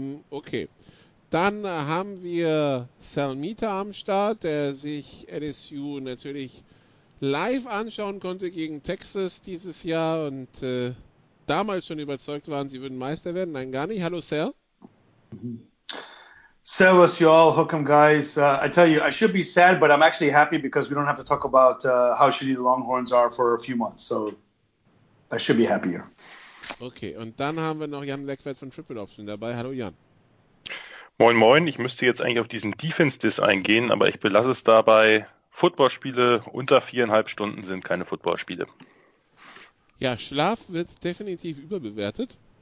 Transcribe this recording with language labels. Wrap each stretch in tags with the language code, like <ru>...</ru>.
<en>Okay.</en> <de>Dann haben wir Salmita am Start, der sich LSU natürlich live anschauen konnte gegen Texas dieses Jahr und damals schon überzeugt waren, sie würden Meister werden. Nein, gar nicht. Hallo, Sal.</de> <en>Servus, y'all. Welcome, guys. I tell you, I should be sad, but I'm actually happy because we don't have to talk about how shitty the Longhorns are for a few months. So I should be happier.</en> <de>Okay, und dann haben wir noch Jan Leckwert von Triple Option dabei. Hallo, Jan. Moin Moin, ich müsste jetzt eigentlich auf diesen Defense-Diss eingehen, aber ich belasse es dabei. Footballspiele unter 4,5 Stunden sind keine Footballspiele. Ja, Schlaf wird definitiv überbewertet.</de>